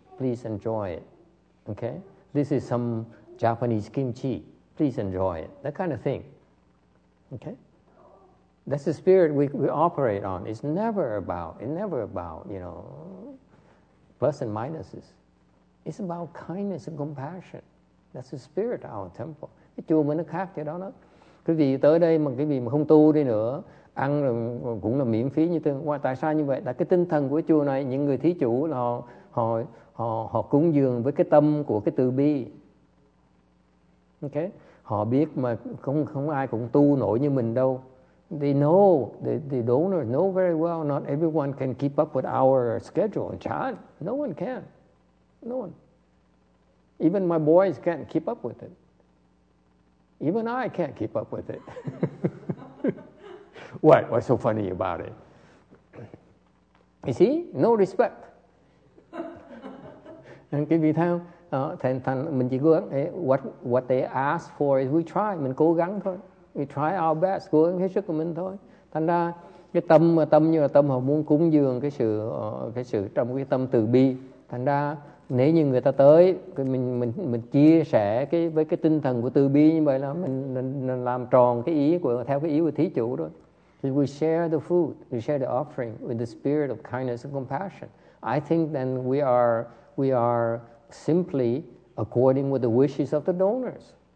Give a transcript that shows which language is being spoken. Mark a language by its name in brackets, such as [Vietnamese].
[English] Please enjoy it. Okay? This is some Japanese kimchi. Please enjoy it. That kind of thing. Okay? That's the spirit we operate on. It's never about, you know, plus and minuses. It's about kindness and compassion. That's the spirit of our temple. [Vietnamese] Cái chùa mình nó khác vậy đó. Quý vị tới đây mà quý vị mà không tu đi nữa, ăn cũng là miễn phí như thế. Wow, tại sao như vậy? Tại cái tinh thần của chùa này, những người thí chủ là họ cúng dường với cái tâm của cái từ bi. Okay? Họ biết mà không ai cũng tu nổi như mình đâu. [English] They know, the donors know very well, not everyone can keep up with our schedule. John, no one can. No one. Even my boys can't keep up with it. Even I can't keep up with it. What's so funny about it? You see? No respect. [Vietnamese] And quý vị thấy không? Thành mình chỉ cố gắng. [English] What they ask for is we try. [Vietnamese] Mình cố gắng thôi. [English] We try our best. [Vietnamese] Cố gắng hết sức của mình thôi. Thành ra cái tâm như là tâm họ muốn cúng dường cái sự trong cái tâm từ bi. Thành ra nếu như người ta tới, mình chia sẻ với cái tinh thần của từ bi như vậy là mình làm tròn cái ý của theo cái ý của thí chủ đó. [English] We share the food, we share the offering with the spirit of kindness and compassion. I think then we are simply according with the wishes of the donors.